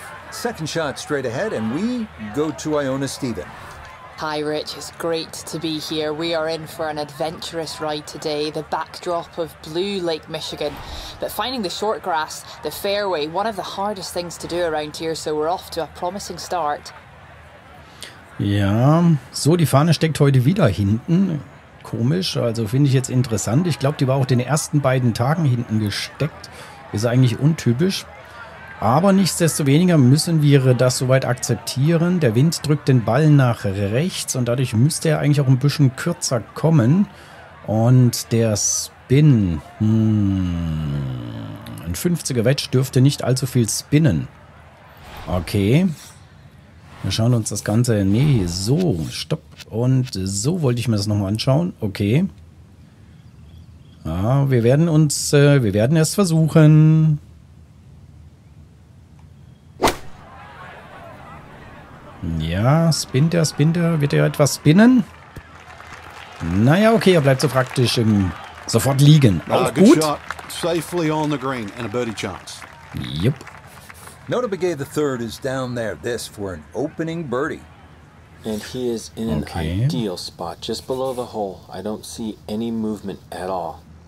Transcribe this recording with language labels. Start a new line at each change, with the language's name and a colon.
English: Second shot straight ahead and we go to Iona Stephen. Hi Rich, it's great to be here. We are in for an adventurous ride today. The backdrop of blue Lake Michigan. But finding the short grass, the fairway, one of the hardest things to do around here. So we're off to a promising start.
German: Ja, so die Fahne steckt heute wieder hinten. Komisch, also finde ich jetzt interessant. Ich glaube, die war auch den ersten beiden Tagen hinten gesteckt. Ist eigentlich untypisch. Aber nichtsdestoweniger müssen wir das soweit akzeptieren. Der Wind drückt den Ball nach rechts und dadurch müsste er eigentlich auch ein bisschen kürzer kommen. Und der Spin, ein 50er Wedge dürfte nicht allzu viel spinnen. Okay, wir schauen uns das Ganze, nee, so, stopp. Und so wollte ich mir das nochmal anschauen, okay. Ja, wir werden es versuchen. Ja, spinnt er. Wird er etwas spinnen? Naja, okay, er bleibt so praktisch im sofort liegen. Auch gut.
English: Safely on the green and a birdie chance. Yep. Notabegay the third is down there. This for an opening birdie. And he is in an ideal spot, just below the hole. I don't see any movement at all.